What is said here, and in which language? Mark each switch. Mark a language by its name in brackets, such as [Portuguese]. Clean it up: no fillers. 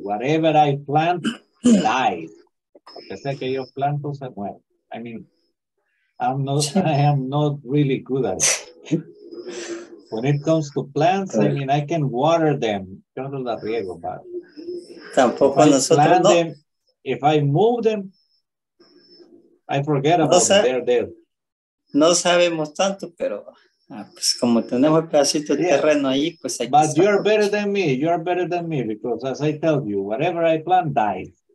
[English] Whatever I plant, dies. [Spanish] Porque sé que yo planto, se muere. [English] I mean, I am not really good at it. When it comes to plants, I mean, I can water them. [Spanish] Yo no la riego, [English] but [Spanish] tampoco nosotros no. [English] Them, if I move them, I forget about them. They're dead. [Spanish] No sabemos tanto, pero... pues como tenemos el pedacito de terreno ahí, pues hay [English] que... But you're better than me. You're better than me because, as I tell you, whatever I plant dies.